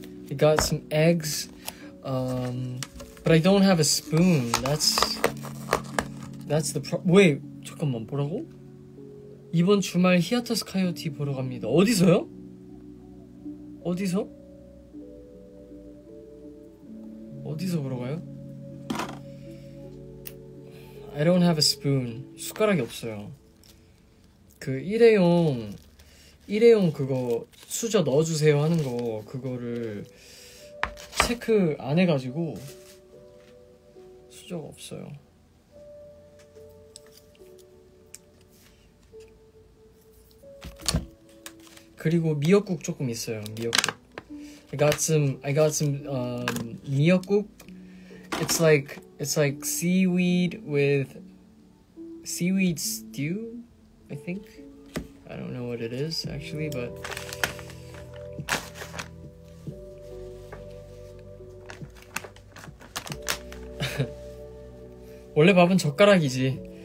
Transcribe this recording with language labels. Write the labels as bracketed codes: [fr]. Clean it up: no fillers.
[en] I got some eggs, but I don't have a spoon. That's the problem. Wait, [ko] 잠깐만, 뭐라고? 이번 주말 히아터스 카이오티 보러 갑니다. 어디서요? 어디서 보러 가요? [en] I don't have a spoon. [ko] 숟가락이 없어요. 그 일회용 그거 수저 넣어주세요 하는 거 그거를 체크 안 해가지고 수저가 없어요. 그리고 미역국 조금 있어요. [en] 미역국. I got some 미역국. It's like seaweed with seaweed stew, I think. I don't know what it is actually, but Olle [ko] 밥은 젓가락이지.